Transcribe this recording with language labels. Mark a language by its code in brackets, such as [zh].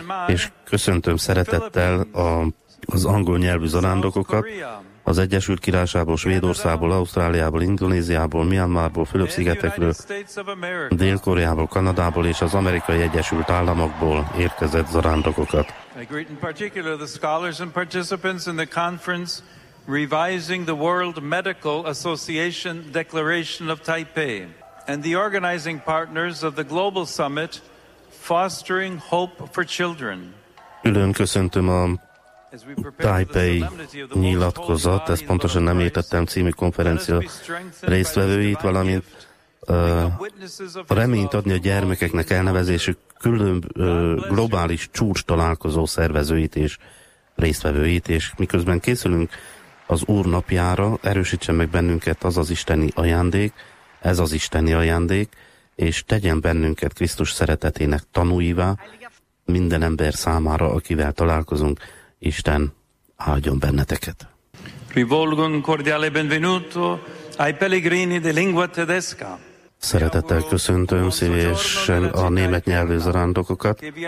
[hu] És köszöntöm szeretettel az angol nyelvű zarándokokat, az Egyesült Királyságból, Svédországból, Ausztráliából, Indonéziából, Myanmarból, Fülöp-szigetekről, Dél-Koreából, Kanadából és az Amerikai Egyesült Államokból érkezett zarándokokat. [en] I greet in particular the scholars and participants in the conference revising the World Medical Association Declaration of Taipei and the organizing partners of the Global Summit Fostering Hope for Children. [hu] Külön köszöntöm a Taipei nyilatkozat, ezt pontosan nem értettem, című konferencia résztvevőit, valamint a reményt adni a gyermekeknek elnevezésük globális csúcs találkozó szervezőit és résztvevőit, és miközben készülünk az Úr napjára, erősítsen meg bennünket az az isteni ajándék, ez az isteni ajándék, és tegyen bennünket Krisztus szeretetének tanúivá minden ember számára, akivel találkozunk. Isten áldjon benneteket. [it] Rivolgo un cordiale benvenuto ai pellegrini di lingua tedesca. [hu] Szeretettel köszöntöm szívesen a német nyelvű zarándokokat.